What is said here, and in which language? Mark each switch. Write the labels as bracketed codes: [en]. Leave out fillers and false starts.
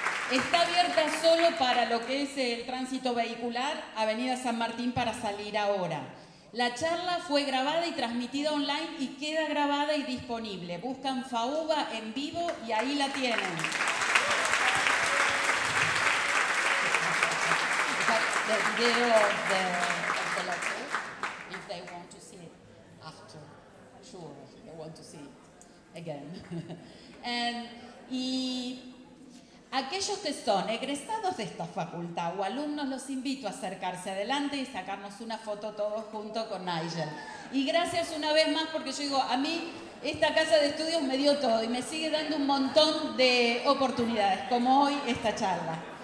[es] Está abierta solo para lo que es el tránsito vehicular, Avenida San Martín, para salir ahora. La charla fue grabada y transmitida online y queda grabada y disponible. Buscan FAUBA en vivo y ahí la tienen. [en] The video of the lecture, if they want to see it after. Sure, they want to see it again. [es] Y aquellos que son egresados de esta facultad o alumnos, los invito a acercarse adelante y sacarnos una foto todos juntos con Nigel. Y gracias una vez más, porque yo digo, a mí esta casa de estudios me dio todo y me sigue dando un montón de oportunidades, como hoy esta charla.